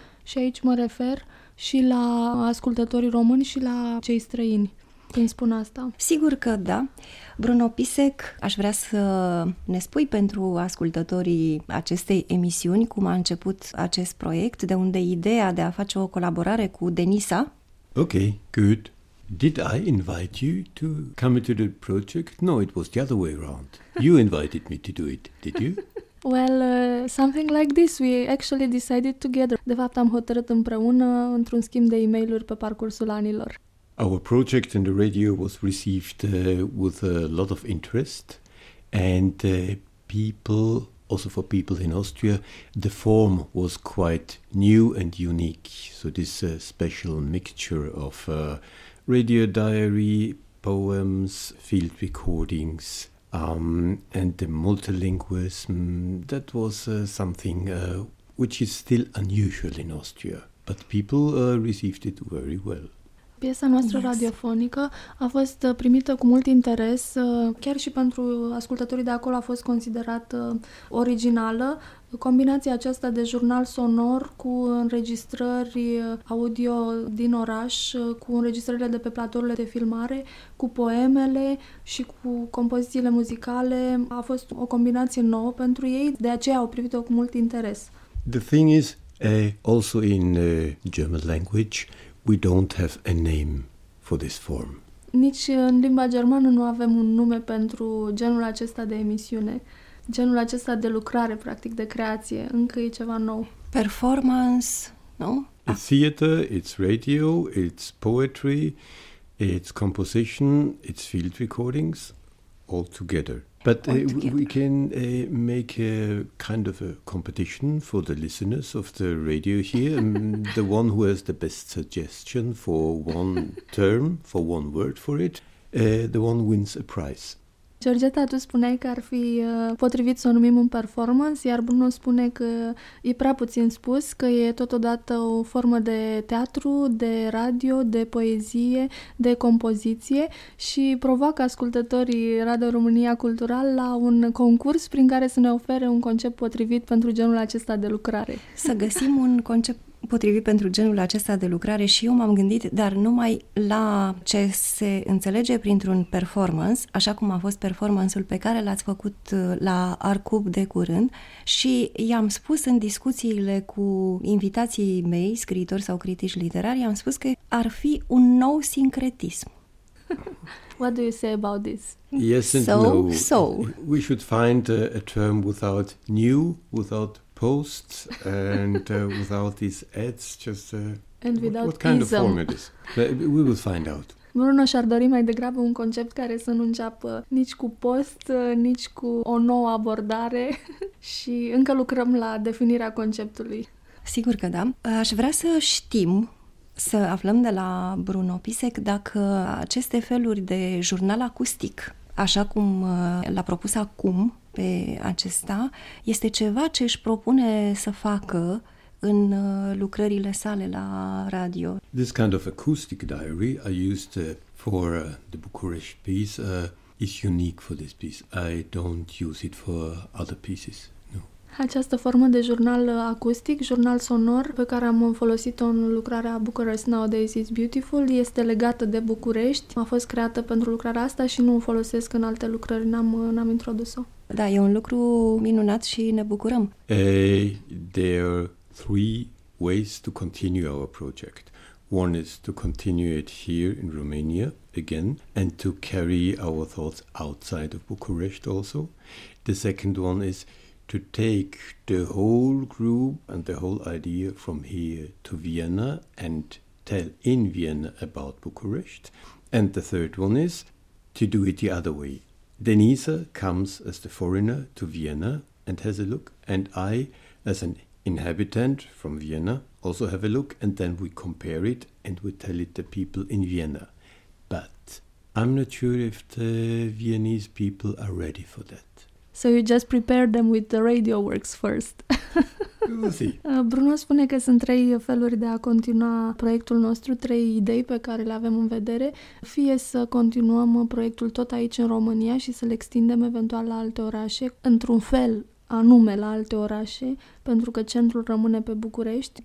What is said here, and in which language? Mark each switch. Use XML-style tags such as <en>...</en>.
<ro>Și aici mă refer și la ascultătorii români și la cei străini, când spun asta. Sigur că da. Bruno Pisek, aș vrea să ne spui pentru ascultătorii acestei emisiuni cum a început acest proiect, de unde ideea de a face o colaborare cu Denisa.</ro> <en>Ok, good. Did I invite you to come into the project? No, it was the other way around. You invited me to do it, did you? Well, something like this. We actually decided together.</en> <ro>De fapt, am hotărât împreună într-un schimb de e-mail-uri pe parcursul anilor.</ro> <en>Our project in the radio was received with a lot of interest and people, also for people in Austria, the form was quite new and unique. So this special mixture of radio diary, poems, field recordings, and the multilingualism, that was something which is still unusual in Austria, but people received it very well.</en> <ro>Piesa noastră radiofonică a fost primită cu mult interes, chiar și pentru ascultătorii de acolo a fost considerată originală. Combinația aceasta de jurnal sonor cu înregistrări audio din oraș, cu înregistrările de pe platourile de filmare, cu poemele și cu compozițiile muzicale a fost o combinație nouă pentru ei, de aceea au privit-o cu mult interes.</ro> <en>The thing is, also in German language, we don't have a name for this form.</en> <ro>Nici în limba germană nu avem un nume pentru genul acesta de emisiune, genul acesta de lucrare, practic, de creație. Încă e ceva nou. Performance, nu?</ro> <en>It's theater, it's radio, it's poetry, it's composition, it's field recordings, all together. But we can make a kind of a competition for the listeners of the radio here. The one who has the best suggestion for one term, for one word for it, the one wins a prize.</en> <ro>Georgeta, tu spuneai că ar fi potrivit să o numim un performance, iar Bruno spune că e prea puțin spus, că e totodată o formă de teatru, de radio, de poezie, de compoziție și provoacă ascultătorii Radio România Cultural la un concurs prin care să ne ofere un concept potrivit pentru genul acesta de lucrare. Să găsim un concept potrivit pentru genul acesta de lucrare și eu m-am gândit, dar numai la ce se înțelege printr-un performance, așa cum a fost performance-ul pe care l-ați făcut la Arcub de curând și i-am spus în discuțiile cu invitații mei, scriitori sau critici literari, i-am spus că ar fi un nou sincretism.</ro> <en>What do you say about this? Yes and so, no. So, we should find a term without new, without posts, and without these ads, just and without what kind ism. Of form it is. But we will find out.</en> <ro>Bruno și-ar dori mai degrabă un concept care să nu înceapă nici cu post, nici cu o nouă abordare și încă lucrăm la definirea conceptului. Sigur că da. Aș vrea să știm, să aflăm de la Bruno Pisek dacă aceste feluri de jurnal acustic, așa cum l-a propus acum pe acesta, este ceva ce își propune să facă în lucrările sale la radio.</ro> <en>This kind of acoustic diary I used for the Bucharest piece is unique for this piece. I don't use it for other pieces. No.</en> <ro>Această formă de jurnal acustic, jurnal sonor, pe care am folosit-o în lucrarea Bucharest Nowadays is Beautiful, este legată de București. A fost creată pentru lucrarea asta și nu o folosesc în alte lucrări, n-am introdus-o. Da, e un lucru minunat și ne bucurăm.</ro> <en>There three ways to continue our project. One is to continue it here in Romania again and to carry our thoughts outside of Bucharest also. The second one is to take the whole group and the whole idea from here to Vienna and tell in Vienna about Bucharest. And the third one is to do it the other way. Denisa comes as the foreigner to Vienna and has a look, and I, as an inhabitant from Vienna, also have a look, and then we compare it and we tell it the people in Vienna. But I'm not sure if the Viennese people are ready for that. So you just prepare them with the radio works first.</en> <ro>Bruno spune că sunt trei feluri de a continua proiectul nostru, trei idei pe care le avem în vedere. Fie să continuăm proiectul tot aici în România și să-l extindem eventual la alte orașe, într-un fel anume la alte orașe, pentru că centrul rămâne pe București.</ro>